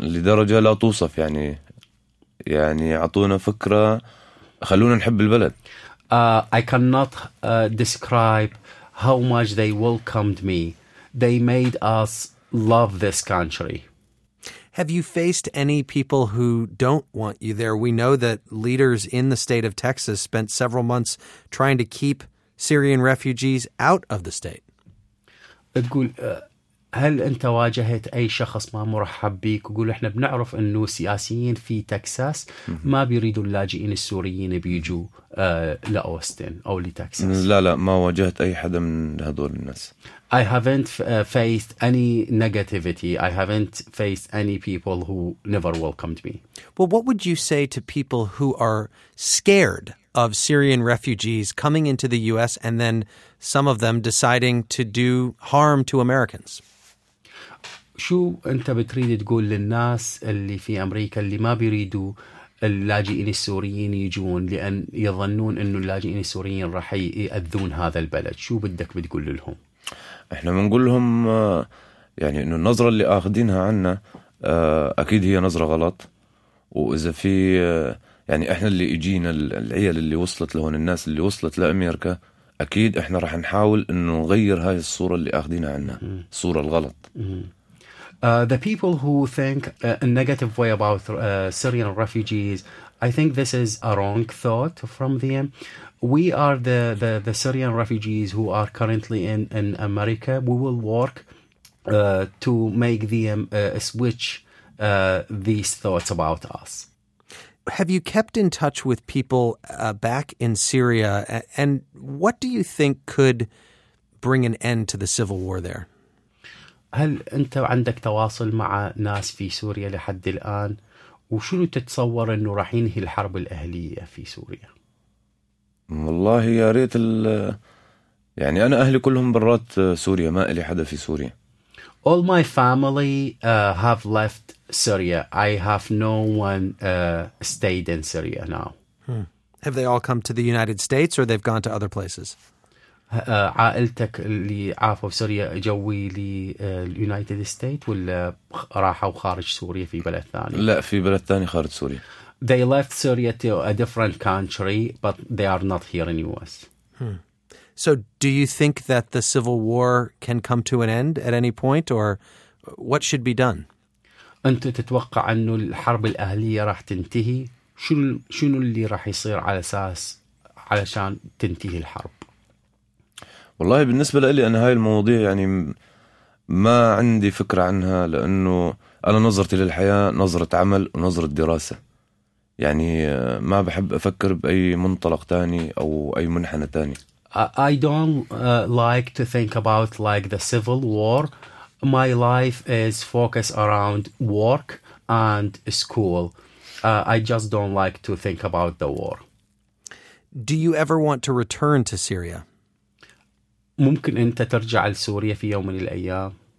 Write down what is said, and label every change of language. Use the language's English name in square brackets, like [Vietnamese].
[Arabic] لدرجة لا توصف يعني يعني عطونا فكرة خلونا نحب البلد. [English] I cannot describe how much they welcomed me. They made us love this country. Have you faced any people who don't want you there? We know that leaders in the state of Texas spent several months trying to keep Syrian refugees out of the state. [Arabic] تقول هل أنت واجهت أي شخص ما مرحب بيك؟ وقول إحنا بنعرف أنه سياسيين في تكساس ما بيريدوا اللاجئين السوريين بيجوا لأوستن أو لتكساس. لا لا ما واجهت أي حدا من هذول الناس. [English] I haven't faced any negativity. I haven't faced any people who never welcomed me. Well, what would you say to people who are scared of Syrian refugees coming into the U.S. and then some of them deciding to do harm to Americans? [Arabic] شو أنت بتريد تقول للناس اللي في أمريكا اللي ما بيريدوا اللاجئين السوريين يجون لأن يظنون إنه اللاجئين السوريين راح يأذون هذا البلد؟ شو بدك بتقول لهم؟ إحنا بنقول لهم يعني إنه النظرة اللي أخذينها عنا أكيد هي نظرة غلط، وإذا في يعني إحنا اللي إجينا العيال اللي وصلت لهون الناس اللي وصلت لأمريكا أكيد إحنا راح نحاول إنه نغير هاي الصورة اللي أخذينها عنا الصورة الغلط. [English] The people who think a negative way about Syrian refugees, I think this is a wrong thought from them. We are the Syrian refugees who are currently in America. We will work to make them switch these thoughts about us. Have you kept in touch with people back in Syria? And what do you think could bring an end to the civil war there? [Arabic] هل أنت عندك تواصل مع ناس في سوريا لحد الآن؟ وشنو تتصور أنه راح ينهي الحرب الأهلية في سوريا؟ والله يا ريت يعني أنا أهلي كلهم برات سوريا، ما إلي حدا في سوريا. [English] All my family have left Syria. I have no one stayed in Syria now. Have they all come to the United States or they've gone to other places? [Arabic] عائلتك اللي عافوا في سوريا جوي لليونايتد ستيت ولا راحوا خارج سوريا في بلد ثاني؟ لا في بلد ثاني خارج سوريا. [English] They left Syria to a different country but they are not here in US. So do you think that the civil war can come to an end at any point or what should be done? [Arabic] انت تتوقع انه الحرب الاهليه راح تنتهي؟ شنو اللي راح يصير على اساس علشان تنتهي الحرب؟ والله بالنسبة لي أنا هاي المواضيع يعني ما عندي فكرة عنها، لأنه أنا نظرتي للحياة نظرة عمل ونظرة دراسة، يعني ما بحب أفكر بأي منطلق تاني أو أي منحنى تاني. [English] I don't like to think about like the civil war. My life is focused around work and school. I just don't like to think about the war. Do you ever want to return to Syria? [Arabic] ممكن أنت ترجع لسوريا في يوم من الأيام؟